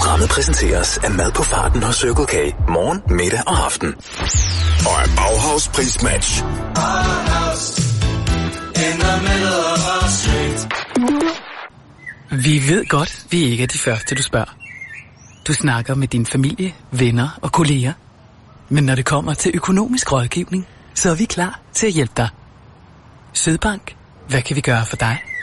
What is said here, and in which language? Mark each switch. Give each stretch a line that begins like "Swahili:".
Danish: præsenteres af Mad på Farten hos Circle K. Morgen, middag og aften. Og af Bauhaus Prismatch.
English: Bauhaus, in the middle of our street.
Danish: Vi ved godt, vi ikke er de første, du spørger. Du snakker med din familie, venner og kolleger. Men når det kommer til økonomisk rådgivning, så er vi klar til at hjælpe dig. Sydbank, hvad kan vi gøre for dig?